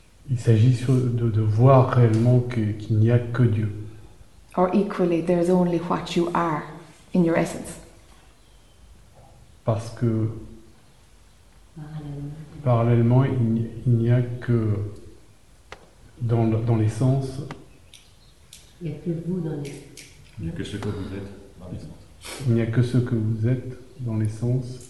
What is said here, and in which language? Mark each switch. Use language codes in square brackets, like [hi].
[fr] Il s'agit de voir réellement qu'il n'y a que Dieu. [en] Or equally, there's only what you are in your essence. [fr] Parce que parallèlement, il n'y a que dans l'essence. Il n'y a que vous dans l'essence. Il n'y a que ce que vous êtes dans l'essence. Il n'y a que ce que vous êtes dans l'essence.